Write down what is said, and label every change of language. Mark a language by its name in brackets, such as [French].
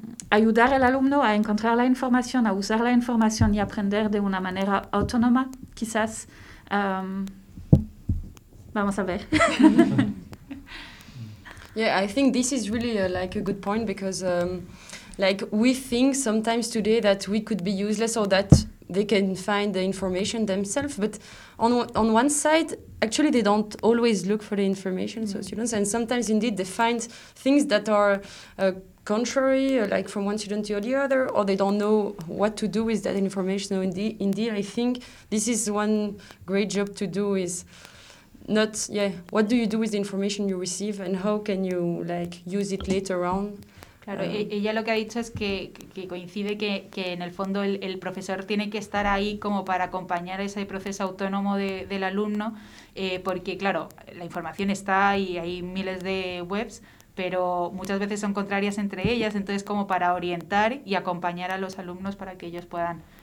[Spanish] ayudar al alumno a encontrar la información, a usar la información y aprender de una manera autónoma, quizás. Vamos a ver. [English] Yeah, I think this is really like a good point because like we think sometimes today that we could be useless or that they can find the information themselves, but on one side, actually they don't always look for the information, mm-hmm. So students, and sometimes indeed they find things that are contrary, like from one student to the other, or they don't know what to do with that information. So indeed, I think this is one great job to do is not, yeah, what do you do with the information you receive and how can you like use it later on? [Spanish] Claro, ella lo que ha dicho es que coincide que en el fondo el profesor tiene que estar ahí como para acompañar ese proceso autónomo del alumno, porque claro, la información está y hay miles de webs, pero muchas veces son contrarias entre ellas, entonces como para orientar y acompañar a los alumnos para que ellos puedan